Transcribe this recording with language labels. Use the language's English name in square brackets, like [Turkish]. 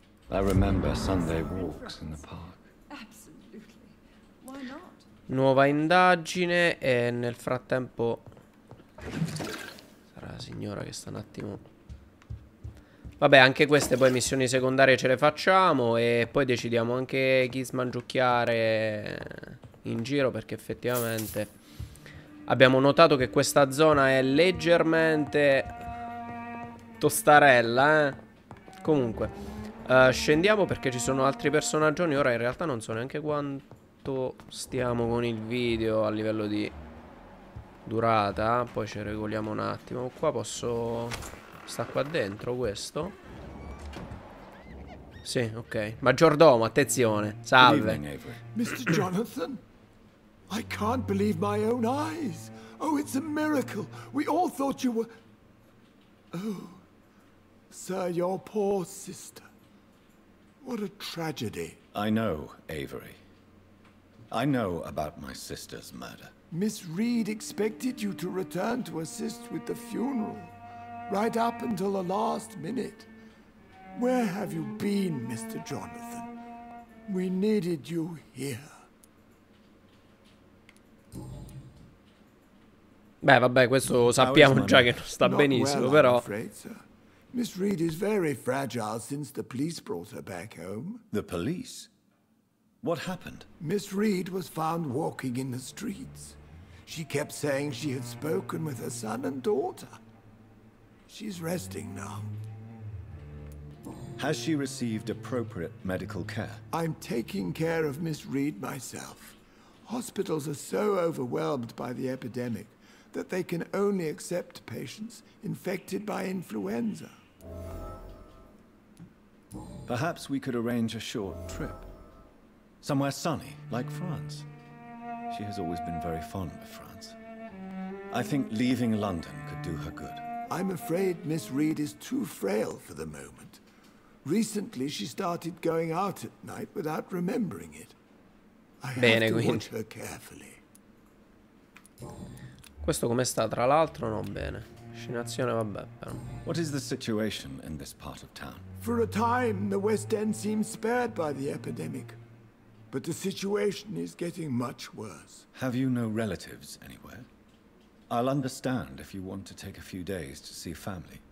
[English] I remember Sunday walks in the park. Absolutely. Why not? [Italian] Nuova indagine e nel frattempo sarà la signora che sta un attimo. Vabbè, anche queste poi missioni secondarie ce le facciamo e poi decidiamo anche chi smangiucchiare in giro, perché effettivamente abbiamo notato che questa zona è leggermente tostarella, eh. Comunque, scendiamo perché ci sono altri personaggi. Ora in realtà non so neanche quanto stiamo con il video a livello di durata. Poi ci regoliamo un attimo. Qua posso... sta qua dentro questo? Sì, ok. Maggiordomo, attenzione. Salve. [English] Mr. Jonathan, I can't believe my own eyes. Oh, it's a miracle. We all thought you were... Oh... Sir, your poor sister. What a tragedy. I know, Avery. I know about my sister's murder. Miss Reed expected you to return to assist with the funeral, right up until the last minute. Where have you been, Mr. Jonathan? We needed you here. [Italian] Beh, vabbè, questo sappiamo già che non sta benissimo, però. [English] Miss Reed is very fragile since the police brought her back home. The police? What happened? Miss Reed was found walking in the streets. She kept saying she had spoken with her son and daughter. She's resting now. Has she received appropriate medical care? I'm taking care of Miss Reed myself. Hospitals are so overwhelmed by the epidemic that they can only accept patients infected by influenza. Perhaps we could arrange a short trip. Somewhere sunny, like France. She has always been very fond of France. I think leaving London could do her good. I'm afraid Miss Reed is too frail for the moment. Recently she started going out at night without remembering it. I [Italian] Bene, [English] have to [Italian] quindi. [English] Watch her carefully. [Italian] Questo come sta, tra l'altro, non bene. Scenazione, vabbè, però. [English] What is the situation in this part of town? For a time, the West End seems spared by the epidemic. But the situation is getting much worse. Have you no relatives anywhere? I'll understand if you want to take a few days to see family.